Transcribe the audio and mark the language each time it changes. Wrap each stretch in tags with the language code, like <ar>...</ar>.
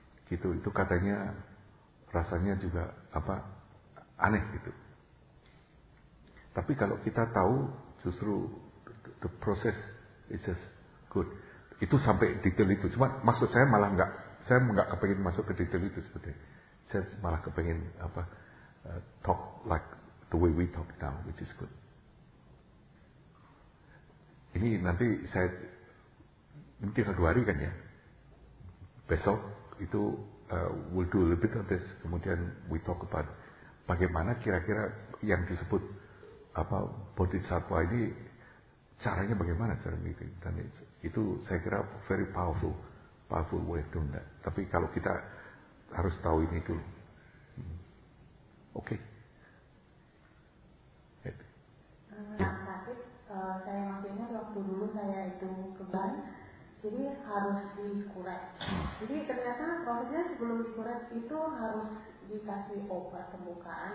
<id>Gitu, itu katanya rasanya juga aneh gitu. Tapi kalau kita tahu, justru</id> <en>the process is just good.</en> <id>Itu sampai detail itu. Cuma maksud saya malah enggak. Saya enggak kepengin masuk ke detail itu sebetulnya. Saya malah kepengin</id> <en>talk like the way we talk now, which is good.</en> <id>Ini nanti saya mungkin satu hari kan ya. Besok itu</id> <en>we'll do a little bit of this.</en> <id>Kemudian</id> <en>we talk about</en> <id>bagaimana kira-kira yang disebut Bodhisattva ini caranya bagaimana cara meeting. Dan itu saya kira</id> <en>very powerful. Powerful way of doing that.</en> <id>Tapi kalau kita harus tahu ini dulu.</id> <en>Okay.</en> <id>Sakit, saya maksudnya waktu dulu saya itu keban, jadi harus dikurek. Jadi ternyata prosesnya sebelum dikurek itu harus dikasih obat pembukaan.</id>